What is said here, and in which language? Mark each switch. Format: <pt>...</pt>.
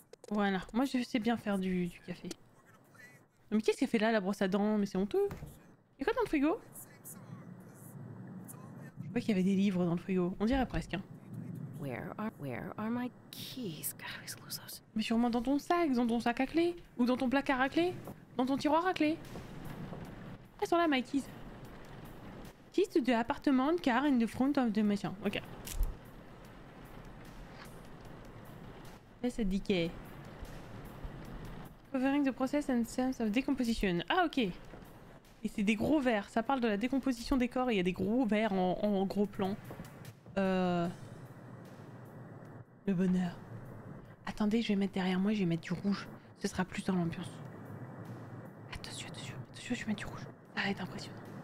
<fr>Voilà, moi je sais bien faire du café. Mais qu'est-ce qu'elle fait là, la brosse à dents? Mais c'est honteux. Il y a quoi dans le frigo? Je vois qu'il y avait des livres dans le frigo. On dirait presque, hein.</fr> <en>Where are my keys? God, I always lose those.</en> <fr>Mais sûrement dans ton sac à clé, ou dans ton placard à clé, dans ton tiroir à clé. Elles sont là,</fr> <en>my keys. Keys to the apartment, car in the front of the machin. Ok.</en> <fr>Là, ça decay.</fr> <en>Covering the process and sense of decomposition.</en> <fr>Ah, ok. Et c'est des gros verres. Ça parle de la décomposition des corps. Il y a des gros verres en gros plan. Le bonheur. Attendez, je vais mettre derrière moi, je vais mettre du rouge. Ce sera plus dans l'ambiance. Attention, attention, attention, je vais mettre du rouge. Ça va être impressionnant.</fr>